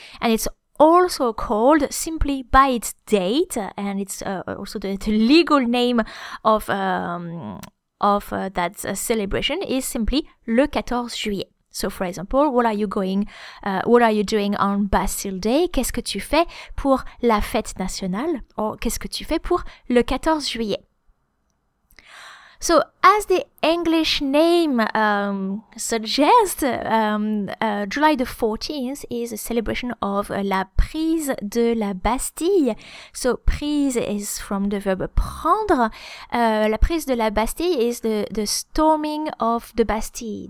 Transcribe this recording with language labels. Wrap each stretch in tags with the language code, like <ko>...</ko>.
<en>And it's also called simply by its date. And it's also the legal name of that celebration is simply</en> <fr>le 14 juillet.</fr> <en>So, for example, what are you doing on Bastille Day?</en> <fr>Qu'est-ce que tu fais pour la fête nationale? Or qu'est-ce que tu fais pour le 14 juillet?</fr> <en>So, as the English name suggests, July the 14th is a celebration of</en> <fr>la prise de la Bastille.</fr> <en>So, prise is from the verb prendre.</en> <fr>La prise de la Bastille</fr> <en>is the storming of the Bastille.</en>